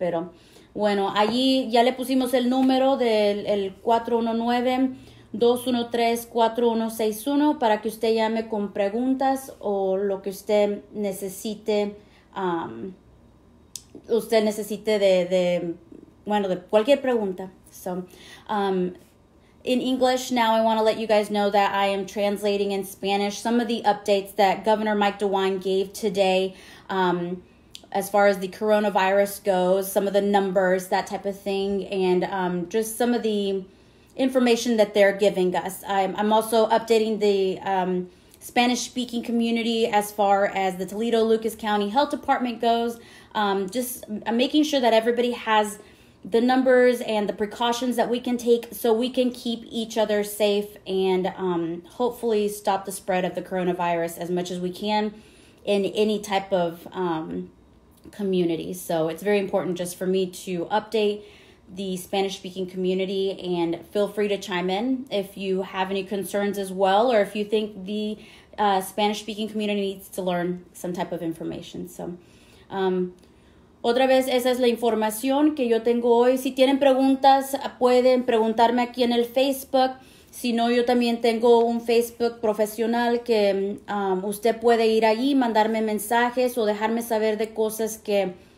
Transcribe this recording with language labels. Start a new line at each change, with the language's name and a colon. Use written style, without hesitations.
Spanish: Pero bueno, allí ya le pusimos el número del el 419-213-4161 para que usted llame con preguntas o lo que usted necesite, de cualquier pregunta.
English: In English now, I want to let you guys know that I am translating in Spanish some of the updates that Governor Mike DeWine gave today, as far as the coronavirus goes, some of the numbers, that type of thing, and just some of the information that they're giving us. I'm also updating the Spanish-speaking community as far as the Toledo-Lucas County Health Department goes. I'm making sure that everybody has the numbers and the precautions that we can take so we can keep each other safe and hopefully stop the spread of the coronavirus as much as we can in any type of community. So it's very important just for me to update the Spanish-speaking community, and feel free to chime in if you have any concerns as well, or if you think the Spanish-speaking community needs to learn some type of information.
Spanish: So otra vez, esa es la información que yo tengo hoy. Si tienen preguntas, pueden preguntarme aquí en el Facebook. Si no, yo también tengo un Facebook profesional que usted puede ir allí, mandarme mensajes o dejarme saber de cosas que